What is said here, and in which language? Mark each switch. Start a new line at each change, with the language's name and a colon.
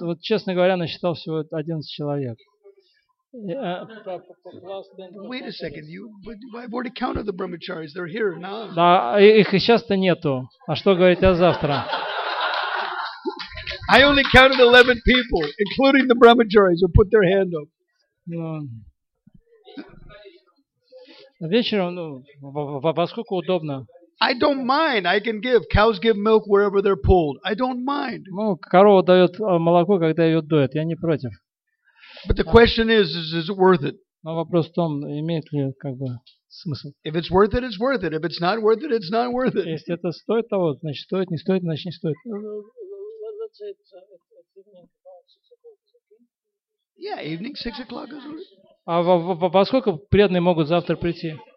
Russian: Вот, честно говоря, насчитал всего 11 человек.
English: Wait a second, I've already counted the brahmacharis. They're here now.
Russian: Да, их и сейчас-то нету. А что говорить о завтра?
English: I only counted 11 people, including the brahmacharis who put their hand up.
Russian: Вечером, ну, во сколько удобно.
English: I don't mind. I can give. Cows give milk wherever they're pulled. I don't mind.
Russian: Ну, корова дает молоко, когда ее доят. Я не против.
English: But the question is it worth it?
Russian: Но вопрос в том, имеет ли, как бы, смысл.
English: If it's worth it, it's worth it. If it's not worth it, it's not worth it.
Russian: Если это стоит того, значит стоит, не стоит, значит не стоит.
English: Yeah, evening, 6 o'clock is worth it.
Russian: А во сколько преданные могут завтра прийти?